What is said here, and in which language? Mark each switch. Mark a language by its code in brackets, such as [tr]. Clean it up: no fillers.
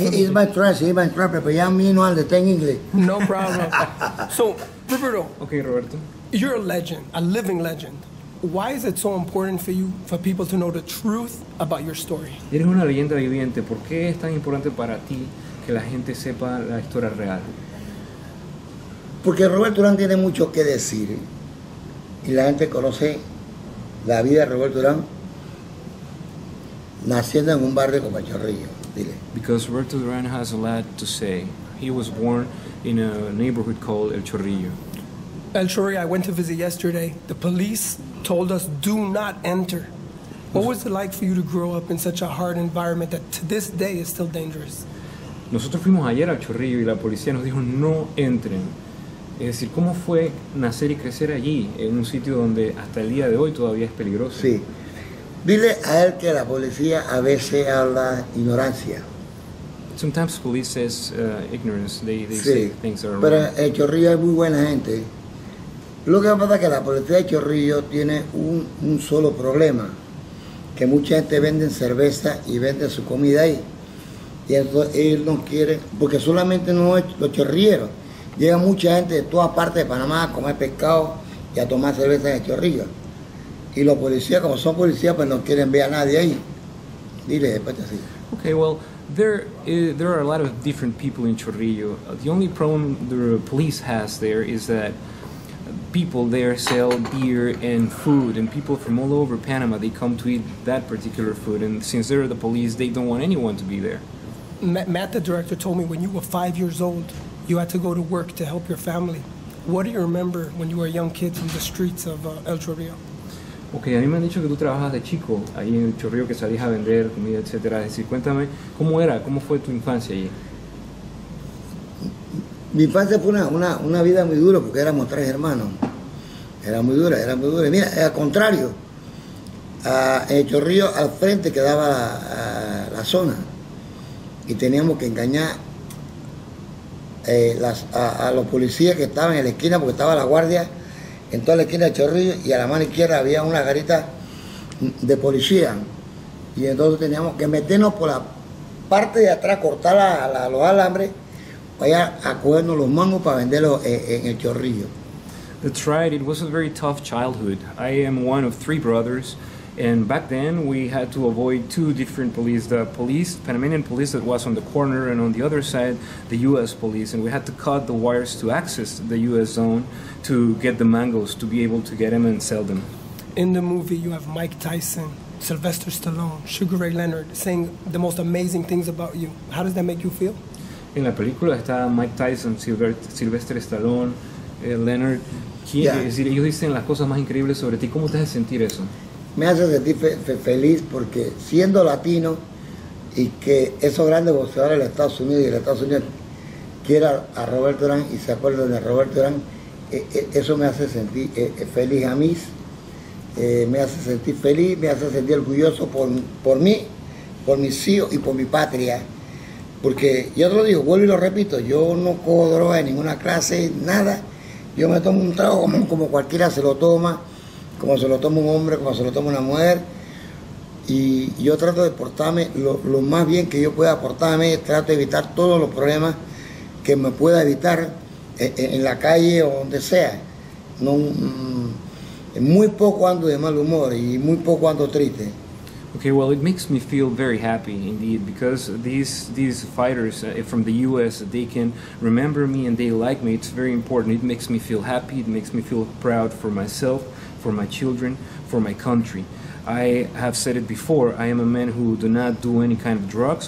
[en] He's my translator, but I'm not understanding English. No problem. So, Roberto. Okay, Roberto. You're a legend, a living legend. Why is it so important for you, for people to know the truth about your story? [es] Eres una leyenda viviente. ¿Por qué es tan importante para ti que la gente sepa la historia real? Porque Roberto Durán tiene mucho que decir. Y la gente conoce la vida de Roberto Durán naciendo en un barrio como Chorrillo, dile. [en] Because Roberto Durán has a lot to say. He was born in a neighborhood called El Chorrillo. El Chorrillo, I went to visit yesterday. The police told us, do not enter. What was it like for you to grow up in such a hard environment that to this day is still dangerous? [es] Nosotros fuimos ayer al Chorrillo y la policía nos dijo, no entren. Es decir, ¿cómo fue nacer y crecer allí, en un sitio donde hasta el día de hoy todavía es peligroso? Sí. Dile a él que la policía a veces habla ignorancia. [en] Sometimes police says ignorance. They [es] sí. [en] Say things are wrong. [es] Pero el Chorrillo es muy buena gente. Lo que pasa es que la policía de Chorrillo tiene un solo problema. Que mucha gente vende cerveza y vende su comida ahí. Y entonces ellos no quieren, porque solamente no es los chorrilleros. Llega mucha gente de todas partes de Panamá a comer pescado y a tomar cerveza en el Chorrillo. Y los policías, como son policías, pues no quieren ver a nadie ahí. Dile, después así. [en] Okay, well, there are a lot of different people in Chorrillo. The only problem the police has there is that people there sell beer and food, and people from all over Panama, they come to eat that particular food. And since they're the police, they don't want anyone to be there. Matt, the director, told me when you were 5 years old, you had to go to work to help your family. What do you remember when you were a young kid from the streets of El Chorrillo? [es] Okay, a mí me han dicho que tú trabajas de chico ahí en El Chorrillo, que salías a vender comida, etc. Es decir, cuéntame, ¿cómo era? ¿Cómo fue tu infancia allí? Mi infancia fue una vida muy dura porque éramos tres hermanos. Era muy dura. Mira, al contrario, en El Chorrillo al frente quedaba la zona y teníamos que engañar a los policías que estaban en la esquina, porque estaba la guardia en toda la esquina de Chorrillo, y a la mano izquierda había una garita de policía, y entonces teníamos que meternos por la parte de atrás, cortar los alambres, vaya a cogernos los mangos para venderlos en el Chorrillo. [en] That's right, it was a very tough childhood. I am one of three brothers, and back then we had to avoid two different police, the police, Panamanian police that was on the corner, and on the other side, the U.S. police, and we had to cut the wires to access the U.S. zone to get the mangoes, to be able to get them and sell them. In the movie, you have Mike Tyson, Sylvester Stallone, Sugar Ray Leonard saying the most amazing things about you. How does that make you feel? [es] En la película está Mike Tyson, Sylvester Stallone, Leonard. ¿Quién, yeah. Es decir, ellos dicen las cosas más increíbles sobre ti. ¿Cómo te hace sentir eso? Me hace sentir feliz porque siendo latino y que esos grandes boxeadores de Estados Unidos y de Estados Unidos quieran a Roberto Durán y se acuerden de Roberto Durán, eso me hace sentir feliz a mí, me hace sentir feliz, me hace sentir orgulloso por mí, por mis hijos y por mi patria. Porque yo te lo digo, vuelvo y lo repito, yo no cojo droga de ninguna clase, nada. Yo me tomo un trago como cualquiera se lo toma, como se lo toma un hombre, como se lo toma una mujer, y yo trato de portarme lo más bien que yo pueda portarme, trato de evitar todos los problemas que me pueda evitar en la calle o donde sea. No, muy poco ando de mal humor y muy poco ando triste. [en] Okay, well, it makes me feel very happy indeed, because these fighters from the U.S., they can remember me and they like me. It's very important. It makes me feel happy. It makes me feel proud for myself, for my children, for my country. I have said it before, I am a man who do not do any kind of drugs.